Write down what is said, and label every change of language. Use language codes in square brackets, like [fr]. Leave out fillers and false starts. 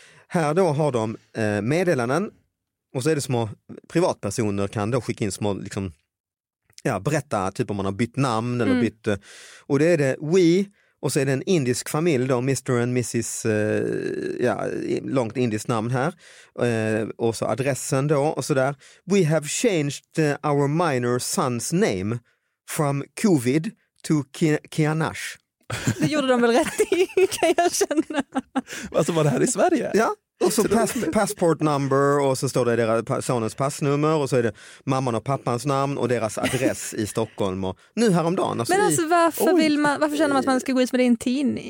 [sv] Här då har de meddelanden. Och så är det små privatpersoner kan då skicka in små... Liksom, ja, berätta typ om man har bytt namn eller bytt... Och det är det, we Och så är det en indisk familj då, Mr. and Mrs. Ja, långt indiskt namn här. Och så adressen då och sådär. [en] We have changed our minor son's name from COVID to Kianash. [sv] Det gjorde de väl rätt i, kan jag känna. Alltså var det här i Sverige? Ja. Och så passport number och så står det deras sonens passnummer och så är det mamman och pappans namn och deras adress i Stockholm och nu häromdagen. Alltså men alltså varför vill man, varför känner man att man ska gå ut med din teen?